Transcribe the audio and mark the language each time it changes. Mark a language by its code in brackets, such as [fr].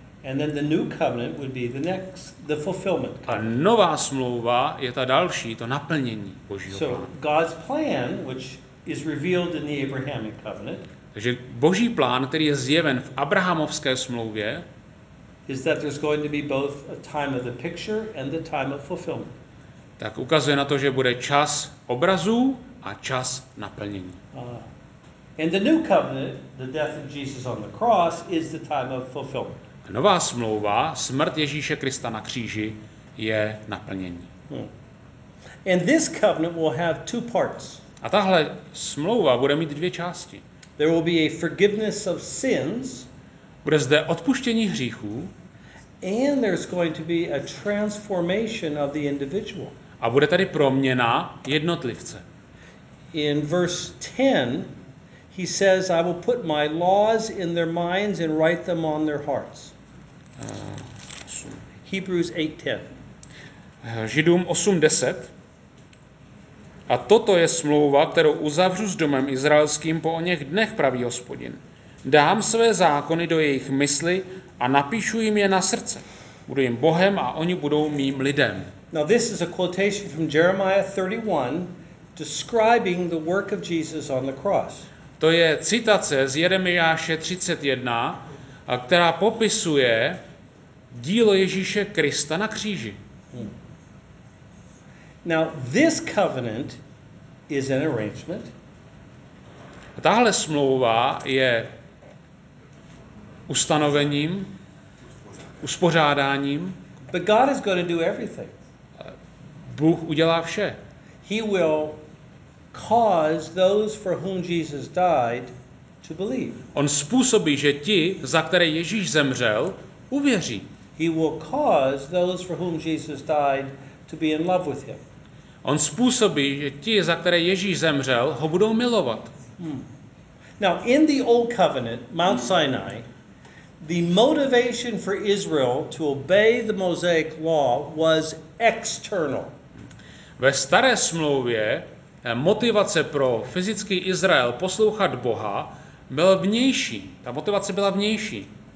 [en] And then the new covenant would be the next, the fulfillment. [cs] A nová smlouva je ta další, to naplnění Božího plánu. [en] So God's plan, which is revealed in the Abrahamic covenant, [cs] takže Boží plán, který je zjeven v Abrahamovské smlouvě, [en] is that there's going to be both a time of the picture and the time of fulfillment. [cs] Tak ukazuje na to, že bude čas obrazu a čas naplnění. [en] And the new covenant, the death of Jesus on the cross, is the time of fulfillment. [cs] Nová smlouva, smrt Ježíše Krista na kříži, je naplnění. [en] And this covenant will have two parts. [cs] A tahle smlouva bude mít dvě části. [en] There will be a forgiveness of sins. [cs] Bude zde odpuštění hříchů. [en] And there's going to be a transformation of the individual. [cs] A bude tady proměna jednotlivce. [en] In verse 10, he says, I will put my laws in their minds and write them on their hearts. Hebrews 8:10. [cs] Židům 8:10. A toto je smlouva, kterou uzavřu s domem izraelským po oněch dnech, praví Hospodin. Dám své zákony do jejich mysli a napíšu jim je na srdce. Budu jim Bohem a oni budou mým lidem. [en] Now this is a quotation from Jeremiah 31 describing the work of Jesus on the cross. [cs] To je citace z Jeremiáše 31, která popisuje dílo Ježíše Krista na kříži. [en] Now this covenant is an arrangement. [cs] Tahle smlouva je ustanovením, uspořádáním. [en] But God is going to do everything. [cs] Bůh udělá vše. [en] He will cause those for whom Jesus died to believe. [cs] On způsobí, že ti, za které Ježíš zemřel, uvěří. [en] He will cause those for whom Jesus died to be in love with him. [cs] On způsobí, že ti, za které Ježíš zemřel, ho budou milovat. [en] Now in the old covenant, Mount Sinai, the motivation for Israel to obey the Mosaic law was external. [cs] Ve staré smlouvě motivace pro fyzický Izrael poslouchat Boha byla vnější. Ta motivace byla vnější.